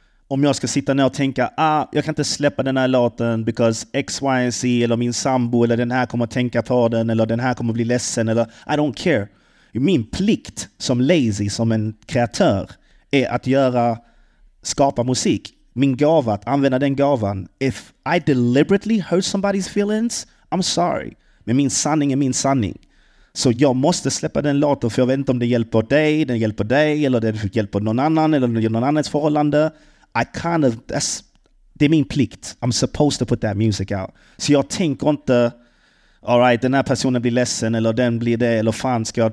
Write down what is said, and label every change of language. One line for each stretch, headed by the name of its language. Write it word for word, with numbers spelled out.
Swedish: Om jag ska sitta ner och tänka, ah, jag kan inte släppa den här låten
English: because X, Y and Z
Swedish: eller min sambo eller den här kommer att tänka på den eller den här kommer att bli ledsen eller
English: I don't care.
Swedish: Min plikt som lazy, som en kreatör, är att göra, skapa musik. Min gåva, att använda den gavan.
English: If I deliberately hurt somebody's feelings, I'm sorry.
Swedish: Men min sanning är min sanning. Så jag måste släppa den låten, för jag vet inte om det hjälper dig, den hjälper dig eller den hjälper någon annan eller någon annans förhållande.
English: I kind of, that's,
Swedish: det är min plikt.
English: I'm supposed to put that music out.
Swedish: Så jag tänker inte, all right, den här personen blir ledsen eller den blir det eller fan ska jag.